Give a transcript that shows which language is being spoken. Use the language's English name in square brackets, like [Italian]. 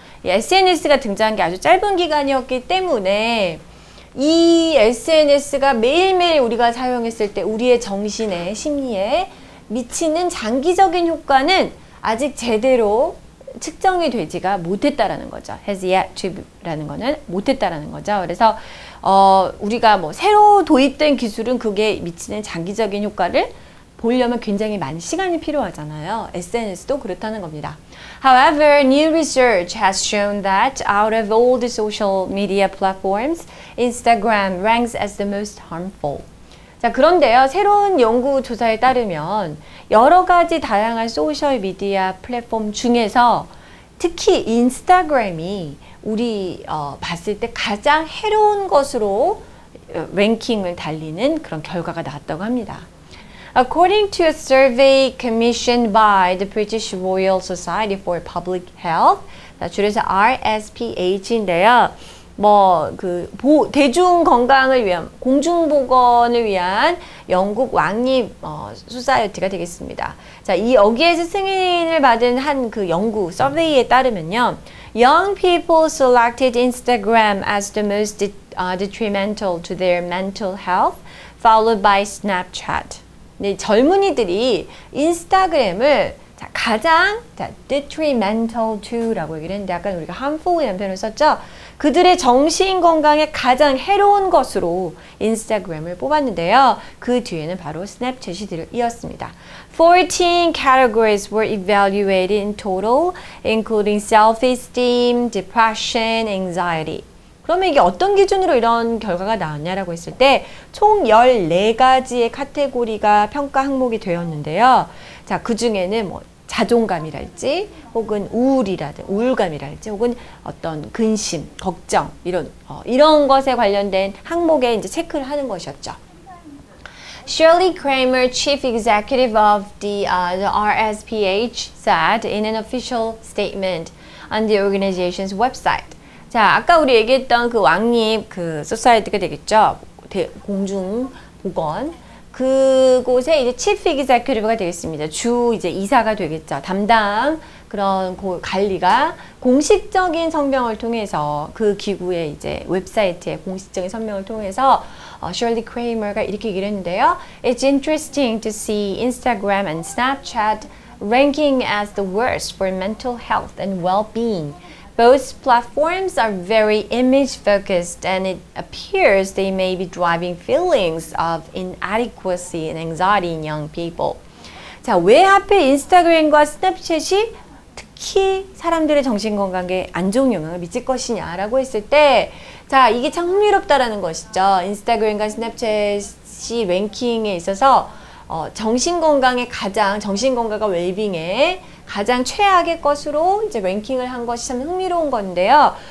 [Korean] 이 SNS가 등장한 게 아주 짧은 기간이었기 때문에 이 SNS가 매일매일 우리가 사용했을 때 우리의 정신에, 심리에 미치는 장기적인 효과는 아직 제대로 측정이 되지가 못했다라는 거죠. [English] Has yet to be [Korean] 라는 거는 못했다라는 거죠. 그래서 우리가 뭐 새로 도입된 기술은 그게 미치는 장기적인 효과를 보려면 굉장히 많은 시간이 필요하잖아요. SNS도 그렇다는 겁니다. [English] However, new research has shown that out of all the social media platforms, Instagram ranks as the most harmful. [Korean] 자, 그런데요, 새로운 연구 조사에 따르면 여러 가지 다양한 소셜 미디어 플랫폼 중에서 특히 인스타그램이 우리 봤을 때 가장 해로운 것으로 랭킹을 달리는 그런 결과가 나왔다고 합니다. [English] According to a survey commissioned by the British Royal Society for Public Health, [Korean] 자, 줄여서 RSPH인데요. 뭐 그 대중 건강을 위한 공중 보건을 위한 영국 왕립 소사이어티가 되겠습니다. 자, 이 여기에서 승인을 받은 한 그 연구 서베이에 따르면요. [English] Young people selected Instagram as the most detrimental to their mental health followed by Snapchat. [Korean] 네, 젊은이들이 인스타그램을 가장 [English] detrimental to [Korean] 라고 얘기를 했는데 약간 우리가 harmful의 연편을 썼죠. 그들의 정신 건강에 가장 해로운 것으로 인스타그램을 뽑았는데요. 그 뒤에는 바로 스냅챗이 이었습니다. [English] 14 categories were evaluated in total, including self-esteem, depression, anxiety. [Korean] 그러면 이게 어떤 기준으로 이런 결과가 나왔냐라고 했을 때 총 14가지의 카테고리가 평가 항목이 되었는데요. 자, 그 중에는 뭐 자존감이랄지 혹은 우울감이랄지 혹은 어떤 근심, 걱정 이런 것에 관련된 항목에 이제 체크를 하는 것이었죠. [English] Shirley Kramer, chief executive of the RSPH said in an official statement on the organization's website. [Korean] 자, 아까 우리 얘기했던 그 왕립 그 소사이어티가 되겠죠. 공중 보건 그곳에 이제 chief executive가 되겠습니다. 주 이제 이사가 되겠죠. 담당 그런 관리가 공식적인 성명을 통해서 그 기구의 이제 웹사이트에 공식적인 성명을 통해서 Shirley Kramer가 이렇게 얘기를 했는데요. [English] It's interesting to see Instagram and Snapchat ranking as the worst for mental health and well-being. Both platforms are very image-focused and it appears they may be driving feelings of inadequacy and anxiety in young people. [Korean] 자, 왜 하필 인스타그램과 스냅챗이 특히 사람들의 정신건강에 안 좋은 영향을 미칠 것이냐라고 했을 때 자, 이게 참 흥미롭다라는 것이죠. 인스타그램과 스냅챗이 랭킹에 있어서 정신건강에 가장, 정신건강과 웰빙에 가장 최악의 것으로 이제 랭킹을 한 것이 참 흥미로운 건데요.